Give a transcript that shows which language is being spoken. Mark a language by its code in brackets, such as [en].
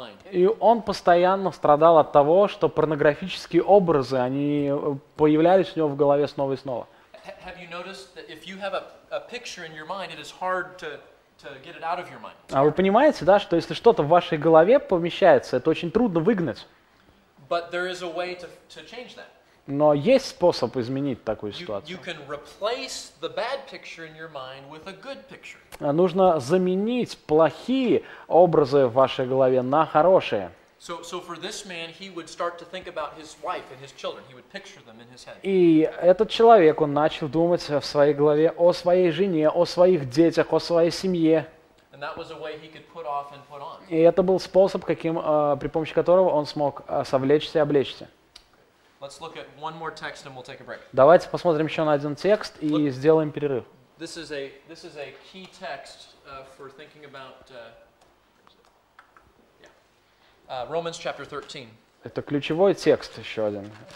[ru] И он постоянно страдал от того, что порнографические образы, они появлялись у него в голове снова и снова. [en] Have you noticed that if you have a picture in your mind, it is hard to get it out of your mind? [ru] А вы понимаете, да, что если что-то в вашей голове помещается, это очень трудно выгнать. [en] But there is a way to change that. [ru] Но есть способ изменить такую ситуацию. [en] You can replace the bad picture in your mind with a good picture. [ru] Нужно заменить плохие образы в вашей голове на хорошие. [en] So for this man, he would start to think about his wife and his children. He would picture them in his head. [ru] И этот человек, он начал думать в своей голове о своей жене, о своих детях, о своей семье. [en] And that was a way he could put off and put on. [ru] И это был способ, каким при помощи которого он смог совлечься и облечься. [en] Let's look at one more text and we'll take a break. [ru] Давайте посмотрим еще на один текст и сделаем перерыв. [en] This is a key text for thinking about. Romans chapter 13. [ru] Это ключевой текст еще один.